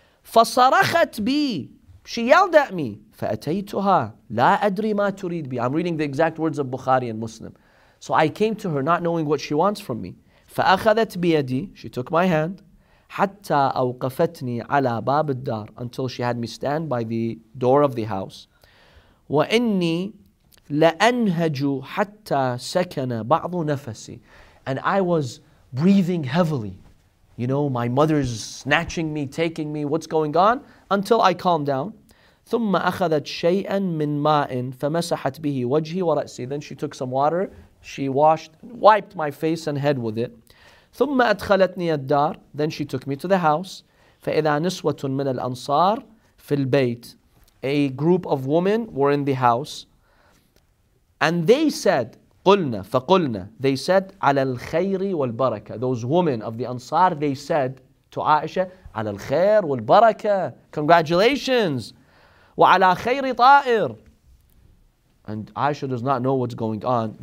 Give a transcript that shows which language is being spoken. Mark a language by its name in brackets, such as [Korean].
[Arabic] فَصَرَخَتْ بِي, [English] she yelled at me. [Arabic] فَأَتَيْتُهَا لَا أَدْرِي مَا تُرِيدْ بِي, [English] I'm reading the exact words of Bukhari and Muslim. So I came to her not knowing what she wants from me. [Arabic] فَأَخَذَتْ بِيَدِي, [English] she took my hand. [Arabic] حَتَّى أَوْقَفَتْنِي عَلَى بَابِ الدَّارِ, [English] until she had me stand by the door of the house. [Arabic] وَإِنِّي لَأَنْهَجُ حَتَّى سَكَنَ بَعْضُ نَفَسِي, [English] and I was breathing heavily. You know, my mother's snatching me, taking me, what's going on? Until I calmed down. [Arabic] ثُمَّ أَخَذَتْ شَيْئًا مِّن مَاءٍ فَمَسَحَتْ بِهِ وَجْهِ وَرَأْسِي, [English] then she took some water, she wiped my face and head with it. [Arabic] ثم أدخلتني الدار, [English] then she took me to the house. [Arabic] فإذا نسوة من الأنصار في البيت, [English] a group of women were in the house, and they said [Arabic] قلنا فقلنا, [English] they said [Arabic] على الخير والبركة, [English] those women of the Ansar, they said to Aisha على الخير والبركة, congratulations, [Arabic] وعلى خير طائر, [English] and Aisha does not know what's going on.